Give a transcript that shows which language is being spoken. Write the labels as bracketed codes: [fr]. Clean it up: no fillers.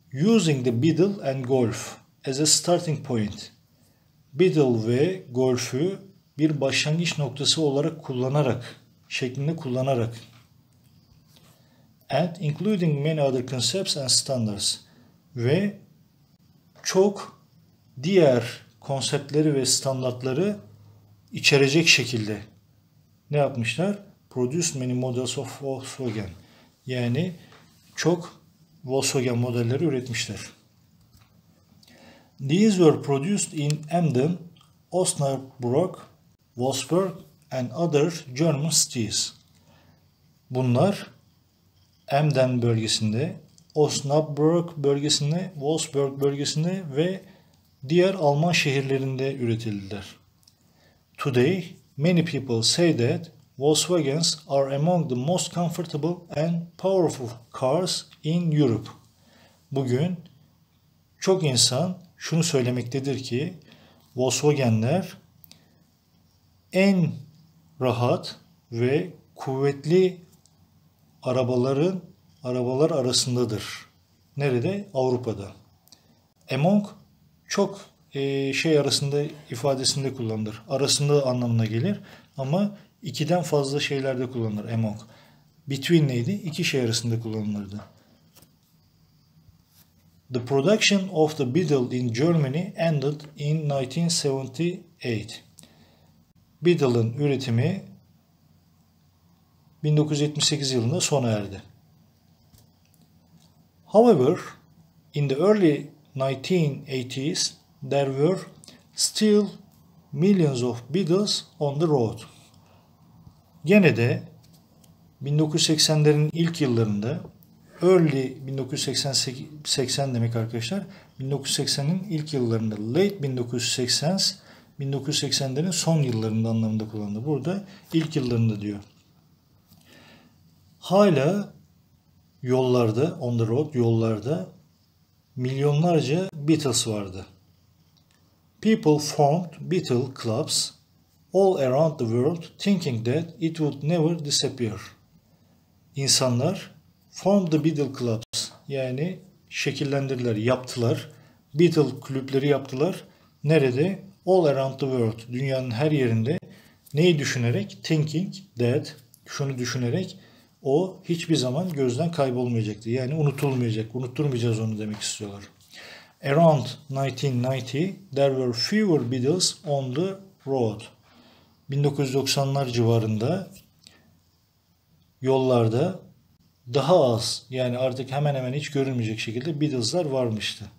[en] Using the Beetle and Golf as a starting point. [tr] Beetle ve Golf'ü bir başlangıç noktası olarak kullanarak, şeklinde kullanarak. [en] And including many other concepts and standards. [tr] Ve çok diğer konseptleri ve standartları içerecek şekilde ne yapmışlar? [en] Produce many models of Volkswagen. [tr] Yani çok Volkswagen modelleri üretmişler. [en] These were produced in Emden, Osnabrück, Wolfsburg and other German cities. [tr] Bunlar Emden bölgesinde, Osnabrück bölgesinde, Wolfsburg bölgesinde ve diğer Alman şehirlerinde üretildiler. [en] Today, many people say that Volkswagens are among the most comfortable and powerful cars in Europe. [tr] Bugün çok insan şunu söylemektedir ki Volkswagenler en rahat ve kuvvetli arabalar arasındadır. Nerede? Avrupa'da. Among çok şey arasında ifadesinde kullanılır. Arasında anlamına gelir ama ikiden fazla şeylerde kullanılır among. Between neydi? İki şey arasında kullanılırdı. [en] The production of the Beetle in Germany ended in 1978. [tr] Beetle'ın üretimi 1978 yılında sona erdi. [en] However, in the early 1980s, there were still millions of Beetles on the road. [tr] Gene de 1980'lerin ilk yıllarında, [en] early 1980 [tr] demek arkadaşlar, 1980'in ilk yıllarında, [en] late 1980s, [tr] 1980'lerin son yıllarında anlamında kullanılıyor. Burada ilk yıllarında diyor. Hala yollarda, [en] on the road, [tr] yollarda milyonlarca Beatles vardı. [en] People formed Beatle clubs all around the world thinking that it would never disappear. [tr] İnsanlar [en] formed the Beatle clubs, [tr] yani şekillendirdiler, yaptılar. Beatle kulüpleri yaptılar. Nerede? [en] All around the world, [tr] dünyanın her yerinde. Neyi düşünerek? [en] Thinking that, [tr] şunu düşünerek, o hiçbir zaman gözden kaybolmayacaktı. Yani unutulmayacak, unutturmayacağız onu demek istiyorlar. [en] Around 1990, there were fewer Beatles on the road. [tr] 1990'lar civarında yollarda daha az, yani artık hemen hemen hiç görünmeyecek şekilde Beatles'lar varmıştı.